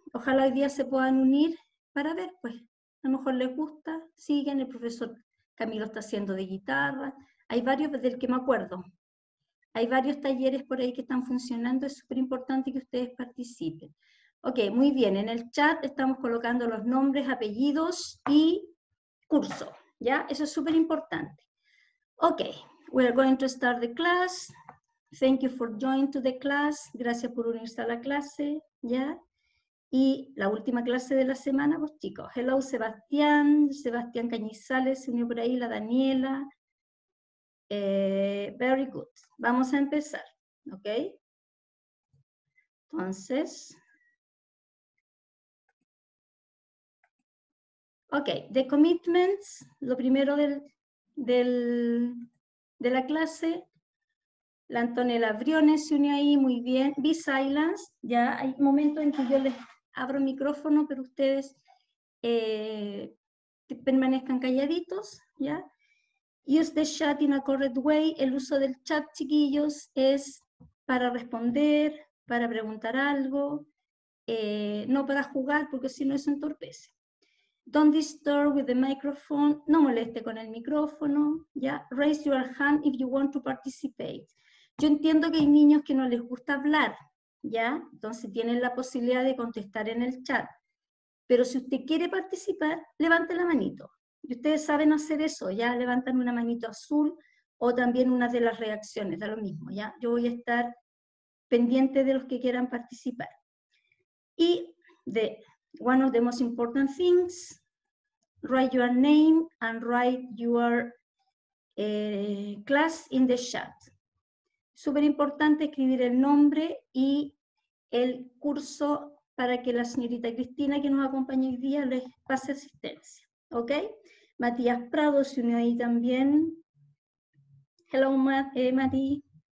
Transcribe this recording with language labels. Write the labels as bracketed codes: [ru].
[es] Ojalá hoy día se puedan unir para ver, pues, a lo mejor les gusta, siguen, el profesor Camilo está haciendo de guitarra. Hay varios, del que me acuerdo, hay varios talleres por ahí que están funcionando, es súper importante que ustedes participen. Ok, muy bien, en el chat estamos colocando los nombres, apellidos y curso, ¿ya? Eso es súper importante. [en] Ok, we are going to start the class. Thank you for joining to the class. [es] Gracias por unirse a la clase, ¿ya? Y la última clase de la semana, pues chicos. Hello, Sebastián Cañizales, se unió por ahí, la Daniela. [en] Very good. [es] Vamos a empezar, ¿ok? Entonces, ok, [en] the commitments, [es] lo primero de la clase, la Antonella Briones se unió ahí, muy bien. [en] Be silence, [es] ya hay momentos en que yo les abro micrófono, pero ustedes permanezcan calladitos, ¿ya? [en] Use the chat in a correct way. [es] El uso del chat, chiquillos, es para responder, para preguntar algo, no para jugar, porque si no eso entorpece. [en] Don't disturb with the microphone. [es] No moleste con el micrófono. ¿Ya? [en] Raise your hand if you want to participate. [es] Yo entiendo que hay niños que no les gusta hablar, ¿ya? Entonces tienen la posibilidad de contestar en el chat. Pero si usted quiere participar, levante la manito. Y ustedes saben hacer eso, ya levantan una manito azul o también una de las reacciones, da lo mismo, ya. Yo voy a estar pendiente de los que quieran participar. Y [en] the one of the most important things, write your name and write your class in the chat. [es] Súper importante escribir el nombre y el curso para que la señorita Cristina que nos acompaña hoy día les pase asistencia, ¿ok? Matías Prado se unió ahí también. Hello, Mati.